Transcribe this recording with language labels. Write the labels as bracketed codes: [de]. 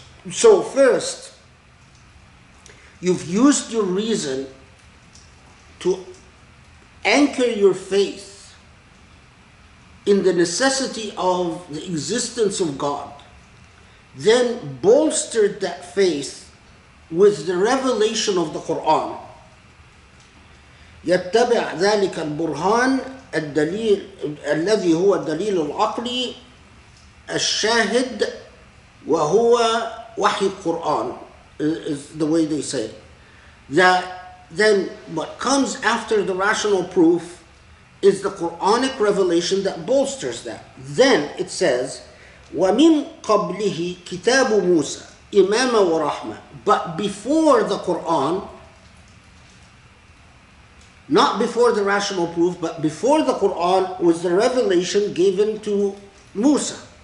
[en] So first, you've used your reason to anchor your faith in the necessity of the existence of God, then bolstered that faith with the revelation of the Quran. [ar] يتبع ذلك البرهان الدليل الذي هو الدليل العقلي الشاهد وهو وحي القرآن, [en] is the way they say that. Then what comes after the rational proof is the Quranic revelation that bolsters that. Then it says, [ar] وَمِن قَبْلِهِ كِتَابُ مُوسَى إِمَامَ وَرَحْمَةً. [en] But before the Quran, not before the rational proof, but before the Quran was the revelation given to Musa.